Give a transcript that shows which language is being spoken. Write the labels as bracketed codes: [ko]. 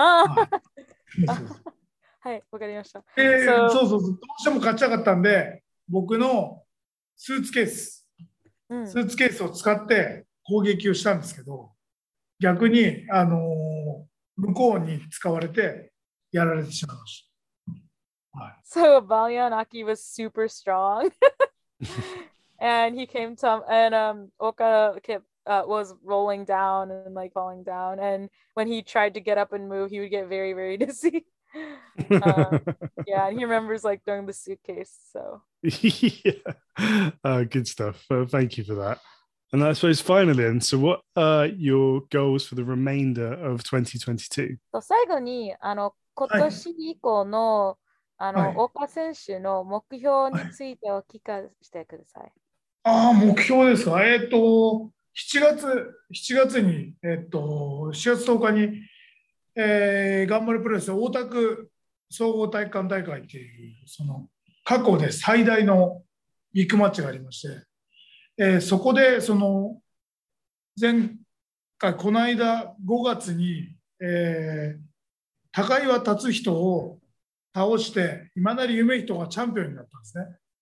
[ja] ああ、はい、わかりました。そうそうそう。どうしても買っちゃかったんで、僕のスーツケース、スーツケースを使って攻撃をしたんですけど、逆に、向こうに使われてやられてしまいました。 [en] So Valianaki was super strong and he came to and Ohka was rolling down and like falling down, and when he tried to get up and move he would get very very dizzy. yeah, and he remembers like throwing the suitcase, so yeah. Good stuff, thank you for that. And I suppose finally, and so what are your goals for the remainder of 2022? So [ja] 最後にあの今年以降のあの、はい、オーカー選手の目標についてお聞かせてください。はい、ああ、目標ですか。 7月に、7月10日に、ガンバルプロレス大田区総合体育館大会っていう、その過去で最大のビッグマッチがありまして、そこでその前回この間5月に、高岩達人を倒して今なり夢人がチャンピオンになったんですね。